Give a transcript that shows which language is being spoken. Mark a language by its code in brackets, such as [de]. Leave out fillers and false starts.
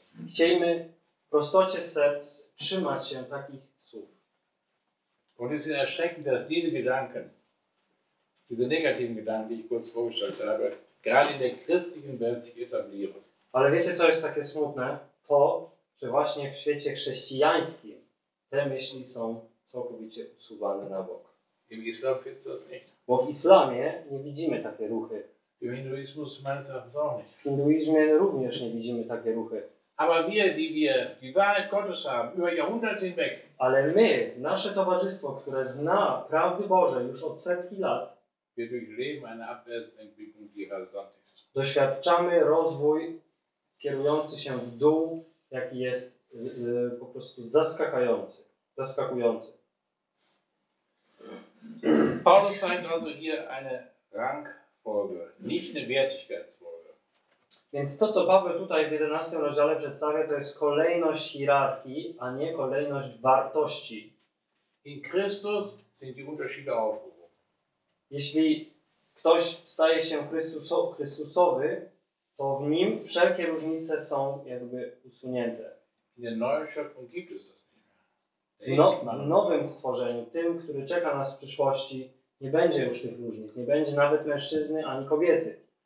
[pl] Chcielibyśmy w prostocie serc trzymać się takich słów. [de] Und es ist erschreckend, dass diese Gedanken, diese negativen Gedanken, die ich kurz vorgestellt habe, gerade in der christlichen Welt sich etablieren. [pl] Ale wiecie, co jest takie smutne? To, że właśnie w świecie chrześcijańskim te myśli są całkowicie usuwane na bok. [de] Im Islam findest du das nicht. [pl] Bo w islamie nie widzimy takie ruchy. [de] Im Hinduismus meines Erachtens auch nicht. [pl] W hinduizmie również nie widzimy takie ruchy. [de] Aber wir, die Wahrheit Gottes haben, über Jahrhunderte hinweg. [pl] Ale my, nasze towarzystwo, które zna prawdy Boże już od setki lat, [de] wir durchleben eine Abwärtsentwicklung, die rasant ist. [pl] Doświadczamy rozwój kierujący się w dół, jaki jest po prostu zaskakujący. [de] Paulus zeigt also hier eine Rangfolge, nicht eine Wertigkeitsfolge. [pl] Więc to, co Paweł tutaj w 11 rozdziale przedstawia, to jest kolejność hierarchii, a nie kolejność wartości. [de] In Christus sind die Unterschiede aufgehoben. [pl] Jeśli ktoś staje się Chrystusowy, to w nim wszelkie różnice są jakby usunięte. [de] In der neuen Schöpfung gibt es das. [pl] W nowym stworzeniu, tym, który czeka nas w przyszłości, nie będzie już tych różnic. Nie będzie nawet mężczyzny ani kobiety.